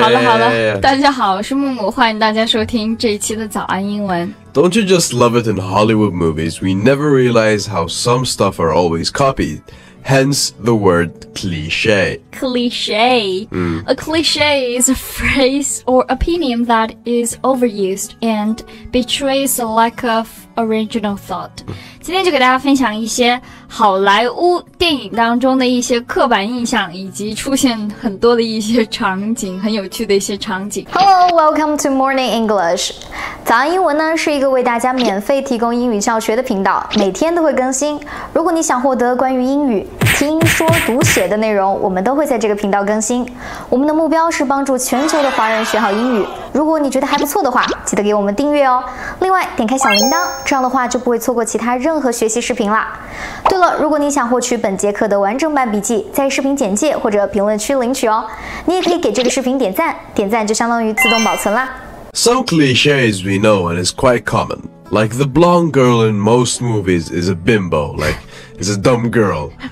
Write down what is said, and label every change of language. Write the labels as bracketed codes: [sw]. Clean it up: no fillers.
[zh] 好了好了，大家好，我是木木，欢迎大家收听这一期的早安英文。 [en] Don't you just love it in Hollywood movies? We never realize how some stuff are always copied. Hence the word cliché. Cliché. A cliché is a phrase or opinion that is overused and betrays a lack of original thought. [zh] 今天就给大家分享一些好莱坞电影当中的一些刻板印象，以及出现很多的一些场景，很有趣的一些场景。 [en] Hello, welcome to Morning English. [zh] 早安英文呢，是一个为大家免费提供英语教学的频道，每天都会更新。如果你想获得关于英语听说读写的内容，我们都会在这个频道更新。我们的目标是帮助全球的华人学好英语。如果你觉得还不错的话，记得给我们订阅哦。另外，点开小铃铛，这样的话就不会错过其他任何学习视频啦。对了，如果你想获取本节课的完整版笔记，在视频简介或者评论区领取哦。你也可以给这个视频点赞，点赞就相当于自动保存啦。 [en] Some clichés we know and is quite common, like the blonde girl in most movies is a bimbo, like is a dumb girl.